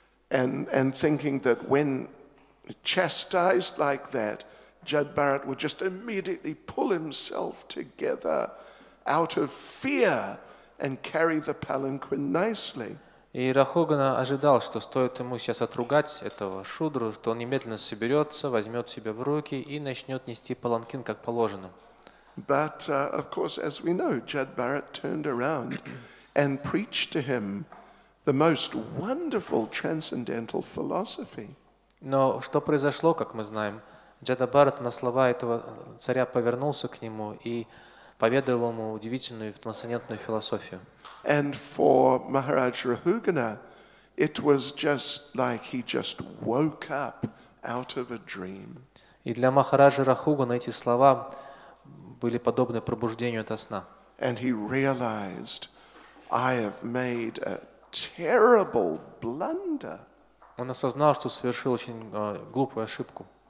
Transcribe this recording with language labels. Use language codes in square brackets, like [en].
[en] And thinking that when chastised like that, Jad Bharat would just immediately pull himself together out of fear and carry the palanquin nicely. [ru] И Рахугана ожидал, что стоит ему сейчас отругать этого шудру, что он немедленно соберется, возьмет себя в руки и начнет нести паланкин как положено. [en] But of course, as we know, Jad Bharat turned around and preached to him the most wonderful transcendental philosophy. [ru] Но что произошло, как мы знаем, Джада Бхарат на слова этого царя повернулся к нему и поведал ему удивительную трансцендентную философию. [en] And for Maharaj Rahugana, it was just like he just woke up out of a dream. [ru] И для Махараджа Рахугана эти слова были подобны пробуждению ото сна. [en] And he realized I have made a terrible blunder. [ru] Он осознал, что совершил очень глупую ошибку.